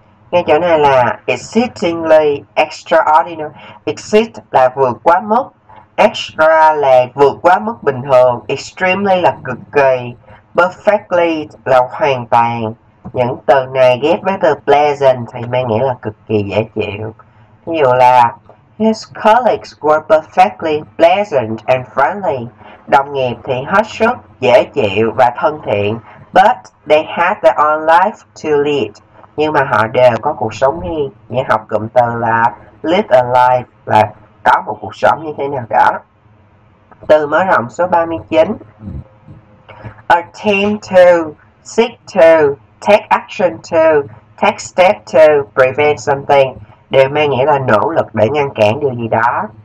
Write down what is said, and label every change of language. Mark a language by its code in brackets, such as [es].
[vi] Nghe chỗ này là [en] exceedingly extraordinary. [vi] Exceed là vượt quá mức, extra là vượt quá mức bình thường, extremely là cực kỳ, perfectly là hoàn toàn. Những từ này ghép với từ pleasant thì mang nghĩa là cực kỳ dễ chịu. Ví dụ là [en] his colleagues were perfectly pleasant and friendly. [vi] Đồng nghiệp thì hết sức dễ chịu và thân thiện. [en] But they had their own life to lead. [vi] Nhưng mà họ đều có cuộc sống riêng. Nghĩa học cụm từ là [en] live a life, [vi] là có một cuộc sống như thế nào đó. Từ mở rộng số 39, [en] attempt to, seek to, take action to, take step to, prevent something [vi] đều mang nghĩa là nỗ lực để ngăn cản điều gì đó.